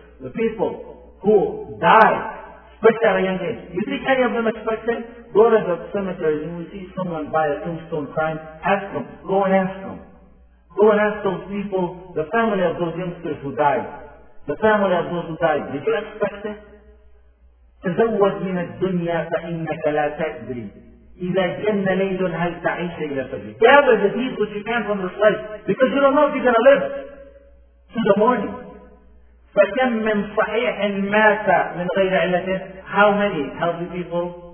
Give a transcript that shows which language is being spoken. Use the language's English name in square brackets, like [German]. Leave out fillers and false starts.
[English] The people who died, especially at a young age. You think any of them expected? Go to the cemetery and you see someone by a tombstone crying. Ask them. Go and ask them. Go and ask those people, the family of those youngsters who died. The family of those who died, did you expect it? [Arabic] تزوج من الدنيا فإنك لا تدري إذا جن ليل هل تعيش إلى الفجر. [English] Gather the deeds which you can from this life, because you don't know if you're going to live to the morning. [Arabic] فكم من صحيح مات من غير علته. [English] How many healthy people